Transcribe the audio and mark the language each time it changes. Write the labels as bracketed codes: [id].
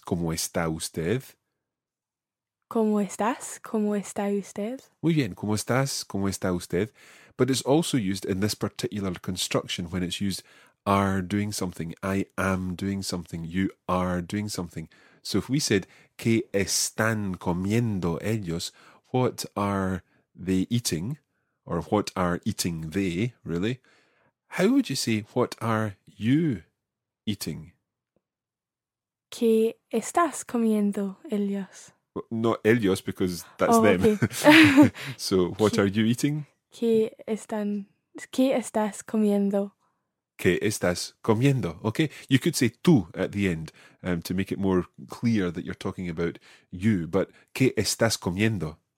[es] ¿Cómo está usted? ¿Cómo estás? ¿Cómo está usted? Muy bien. ¿Cómo estás? ¿Cómo está usted? [en] But it's also used in this particular construction when it's used are doing something. I am doing something. You are doing something. So if we said [es] ¿qué están comiendo ellos? [en] What are they eating, or what are eating they, really? How would you say, what are you eating? [es] ¿Qué estás comiendo ellos? [en] Well, not ellos, because that's them. Okay. So, what are you eating? [es] ¿Qué estás comiendo? ¿Qué estás comiendo? [en] Okay, you could say tú at the end to make it more clear that you're talking about you, but [es] ¿qué estás comiendo?